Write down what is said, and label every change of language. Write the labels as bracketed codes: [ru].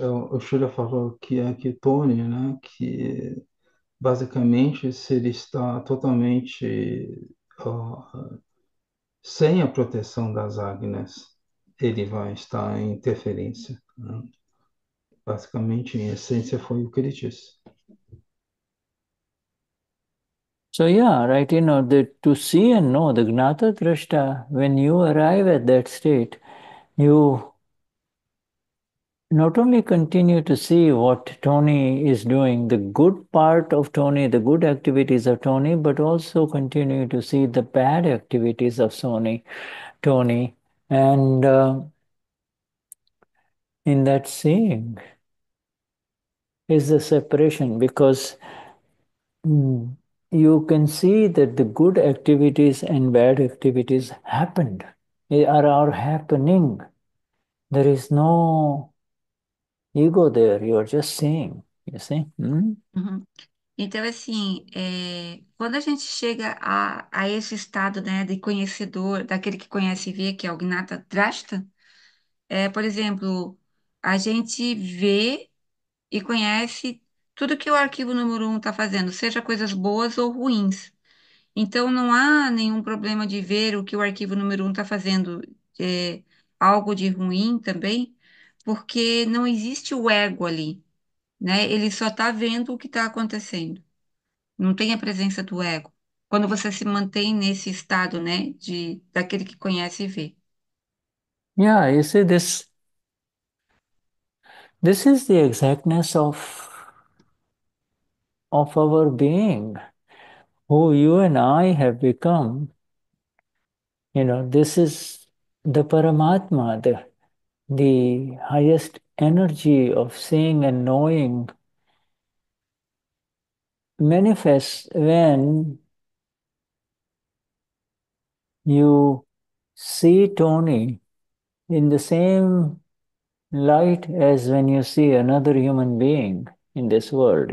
[pt] O Shura falou que aqui Tony, né, que basicamente se ele está totalmente sem a proteção das Agnes, ele vai estar em interferência, né? Basicamente, em essência, foi o que ele disse. [en] So yeah, right, you know, to see and know the Gnata Drashta, when you arrive at that state, you not only continue to see what Tony is doing, the good part of Tony, the good activities of Tony, but also continue to see the bad activities of Tony. And in that seeing is the separation, because you can see that the good activities and bad activities happened, are happening. There is no ego there, you're just seeing, you see? [pt] Então, assim, quando a gente chega a esse estado, né, de conhecedor, daquele que conhece e vê, que é o Gnata Drashta, por exemplo, a gente vê e conhece tudo que o arquivo número 1 está fazendo, seja coisas boas ou ruins. Então, não há nenhum problema de ver o que o arquivo número 1 está fazendo é algo de ruim também, porque não existe o ego ali, né? Ele só está vendo o que está acontecendo. Não tem a presença do ego. Quando você se mantém nesse estado, né, daquele que conhece e vê. [en] You see, this is the exactness of our being, who you and I have become. This is the Paramatma, the highest energy of seeing and knowing manifests when you see Tony in the same light as when you see another human being in this world.